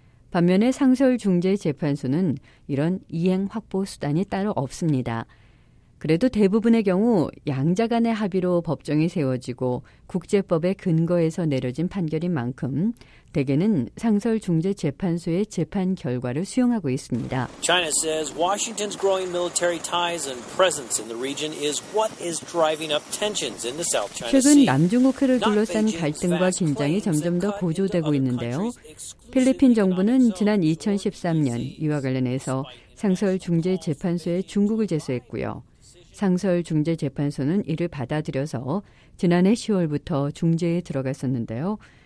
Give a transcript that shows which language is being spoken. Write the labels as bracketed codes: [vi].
[ko] 반면에 상설중재재판소는 이런 이행 확보 수단이 따로 없습니다. 그래도 대부분의 경우 양자 간의 합의로 법정이 세워지고 국제법의 근거에서 내려진 판결인 만큼 대개는 상설중재재판소의 재판 결과를 수용하고 있습니다. [en] China says Washington's growing military ties and presence in the region is what is driving up tensions in the South China Sea. [ko] 최근 남중국해를 둘러싼 갈등과 긴장이 점점 더 고조되고 있는데요. 필리핀 정부는 지난 2013년 이와 관련해서 상설중재재판소에 중국을 제소했고요. 상설중재재판소는 이를 받아들여서 지난해 10월부터 중재에 들어갔었는데요.